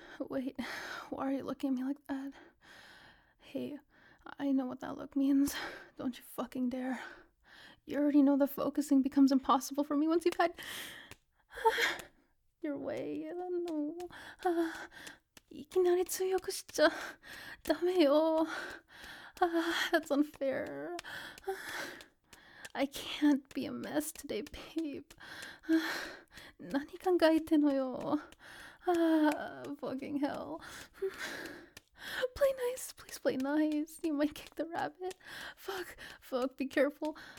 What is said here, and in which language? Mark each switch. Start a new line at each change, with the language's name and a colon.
English: Wait, why are you looking at me like that? Hey, I know what that look means. Don't you fucking dare. You already know that focusing becomes impossible for me once you've had your way. I don't know.
Japanese: いきなり強くしちゃダメよ。
English: That's unfair. I can't be a mess today, babe.
Japanese: 何考えてんのよ。
English: Fucking hell. Play nice, please play nice. You might kick the rabbit. Fuck, be careful.